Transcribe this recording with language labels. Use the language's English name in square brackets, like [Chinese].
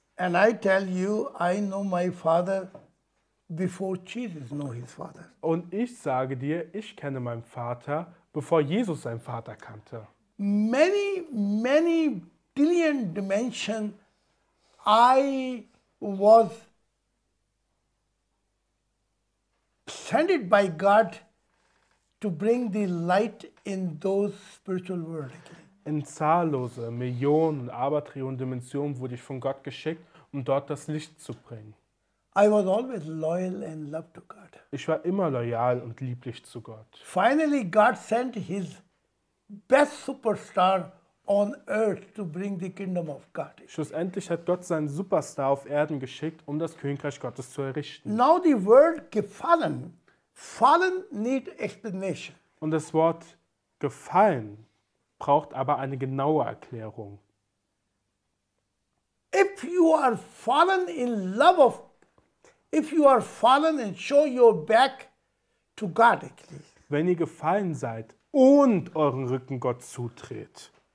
[English] And I tell you, I know my father before Jesus knew his father. [German] Und ich sage dir, ich kenne meinen Vater, bevor Jesus seinen Vater kannte. [English] Many, many billion dimensions, I was sent by God to bring the light in those spiritual world again. [German] In zahllose Millionen und Abertrillionen Dimensionen wurde ich von Gott geschickt, um dort das Licht zu bringen. [English] I was always loyal and loved to God. [German] Ich war immer loyal und lieblich zu Gott. [English] Finally God sent his best superstar on earth to bring the kingdom of God. [German] Schlussendlich hat Gott seinen Superstar auf Erden geschickt, um das Königreich Gottes zu errichten. [English] Now the word gefallen. Fallen need explanation. [German] Und das Wort gefallen braucht aber eine genaue Erklärung. [English] If you are fallen in love of, if you are fallen and show your back to God, [German] wenn ihr gefallen seid und euren Rücken Gott zudreht,